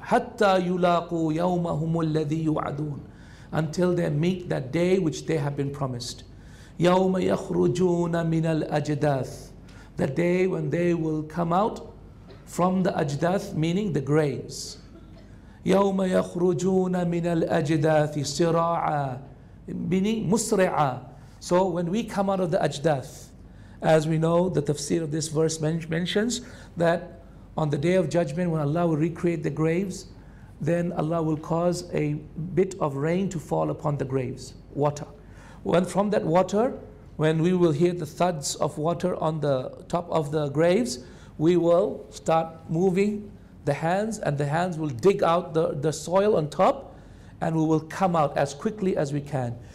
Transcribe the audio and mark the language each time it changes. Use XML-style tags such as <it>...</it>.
<ar>حَتَّى يُلَاقُوا يَوْمَهُمُ الَّذِي يُوعَدُونَ.</ar> <en>Until they meet that day which they have been promised.</en> <ar>يَوْمَ يَخْرُجُونَ مِنَ الْأَجْدَاثِ.</ar> <en>That day when they will come out from the ajdath, meaning the graves.</en> <ar>يَوْمَ يَخْرُجُونَ مِنَ الْأَجْدَاثِ سِرَاعًا, meaning مُسْرِعًا.</ar> <en>So when we come out of the ajdath, as we know, the tafsir of this verse mentions that on the day of judgment, when Allah will recreate the graves, then Allah will cause a bit of rain to fall upon the graves, water. When from that water, when we will hear the thuds of water on the top of the graves, we will start moving the hands, and the hands will dig out the soil on top, and we will come out as quickly as we can.</en>